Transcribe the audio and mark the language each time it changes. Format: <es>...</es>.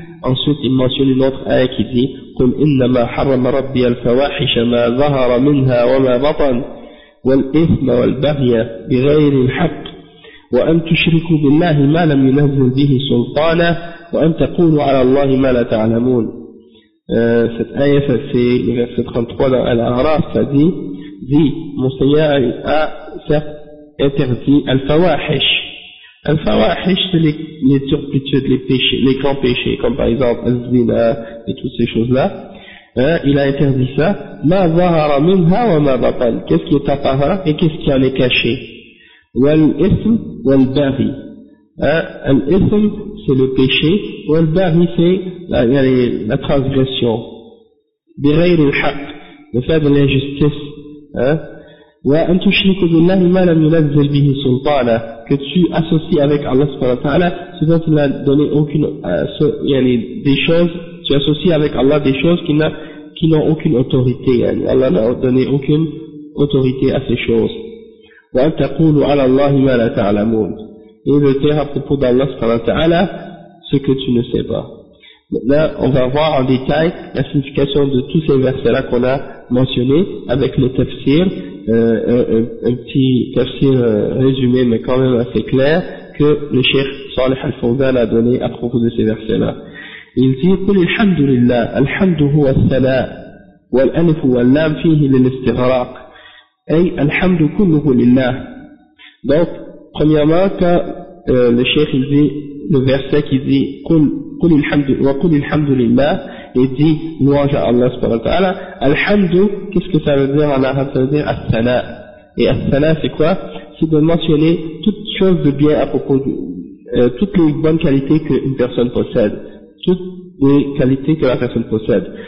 <fr>Ensuite il mentionne une autre ayah qui dit</fr> <ar>قُلْ إِنَّمَا حَرَّمَ رَبِّيَ الْفَوَاحِشَ مَا ظَهَرَ مِنْهَا وَمَا بَطَنَ وَالْإِثْمَ وَالْبَغْيَ بِغَيْرِ الْحَقِّ وأن تشركوا بالله ما لم ينزل به سلطانا وأن تقولوا على الله ما لا تعلمون.</ar> <fr>Cette</fr> <ar>آية في</ar> <fr>verset 33 dans Al-A'raf, ça dit mon Seigneur a certes interdit al-fawahish. Al-fawahish, c'est les turpitudes, les péchés, les grands péchés, comme par exemple al-zina et toutes ces choses-là. Il a interdit ça.</fr> <ar>ما ظهر منها وما بطن.</ar> <fr>Qu'est-ce qui est apparent et qu'est-ce qui en est caché.</fr> <ar>وَالْإِثْمِ وَالْبَغْيِ.</ar> <fr>الْإِثْمِ c'est le péché, وَالْبَغْيِ c'est la transgression.</fr> <ar>بِغَيْرِ الْحَقِّ,</ar> <fr>le fait de l'injustice.</fr> <ar>وَأَنْ تُشْرِكُ بِاللَّهِ مَا لَمْ يُنَزِّلْ بِهِ سُلْطَانًا,</ar> <fr>que tu associes avec Allah subhanahu wa ta'ala ce dont il n'a donné aucune des choses, tu associes avec Allah des choses qui n'ont aucune autorité, Allah n'a donné aucune autorité à ces choses.</fr> <ar>وأن تقولوا على الله ما لا تعلمون.</ar> <fr>Et le terme à propos d'Allah subhanahu wa ta'ala, ce que tu ne sais pas. Maintenant, on va voir en détail la signification de tous ces versets-là qu'on a mentionnés avec le tafsir, un petit tafsir résumé mais quand même assez clair que le cheikh Saleh Al-Fawzan a donné à propos de ces versets-là. Il dit</fr> <ar>قل الحمد لله الحمد هو الثناء والألف واللام فيه للاستغراق. أي الحمد كله لله.</ar> <fr>Donc premièrement quand le cheikh il dit le verset qui dit qul</fr> <ar>الحمد لله</ar> <fr>et dit louange à Allah subhanahu wa ta'ala, الحمد qu'est-ce que ça veut dire en arabe? Ça veut dire الثناء. Et الثناء c'est quoi? C'est de mentionner toutes choses de bien à propos de toutes les bonnes qualités qu'une personne possède, toutes les qualités que la personne possède.</fr>